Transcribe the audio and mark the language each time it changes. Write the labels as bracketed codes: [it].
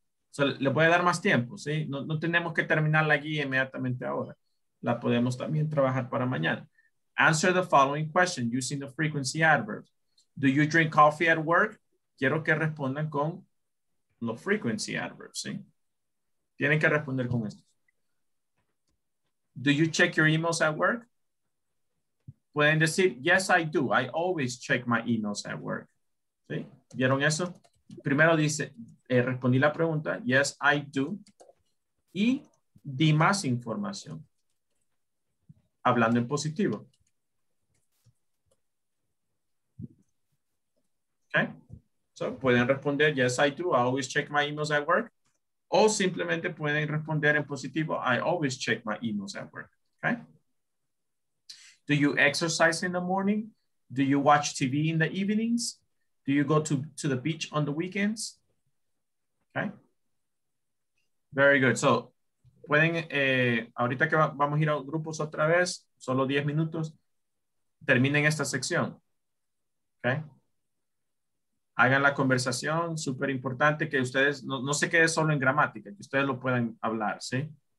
[es] So, le voy a dar más tiempo, ¿sí? No tenemos que terminar la guía inmediatamente ahora. La podemos también trabajar para mañana. [en] Answer the following question using the frequency adverbs. Do you drink coffee at work? [es] Quiero que respondan con los frequency adverbs, ¿sí? Tienen que responder con esto. [en] Do you check your emails at work? [es] pueden decir, [en] yes, I do. I always check my emails at work. [es] ¿Sí? ¿Vieron eso? Primero dice, respondí la pregunta, [en] yes, I do. [es] Y di más información. Hablando en positivo. [en] Okay. So, [es] pueden responder, [en] yes, I do. I always check my emails at work. [es] O simplemente pueden responder en positivo, [en] I always check my emails at work. Okay. Do you exercise in the morning? Do you watch TV in the evenings? Do you go to the beach on the weekends? Okay. Very good. [es] So, pueden, ahorita que vamos a ir a grupos otra vez, solo 10 minutos, terminen esta sección. Okay. Hagan la conversación, súper importante que ustedes, no se quede solo en gramática, que ustedes lo puedan hablar, ¿sí?